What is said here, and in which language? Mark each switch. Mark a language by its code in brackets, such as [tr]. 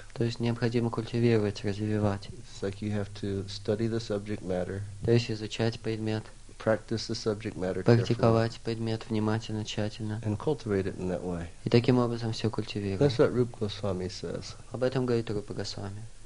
[ru] То есть необходимо культивировать, развивать. [en] It's like you have to study the subject matter. [ru] То есть изучать предмет. [en] Practice the subject matter. [ru] Практиковать предмет внимательно, тщательно. [en] And cultivate it in that way. [ru] И таким образом все культивировать. [en] That's what Rupa Goswami says. [ru] Об этом говорит Рупа Госвами.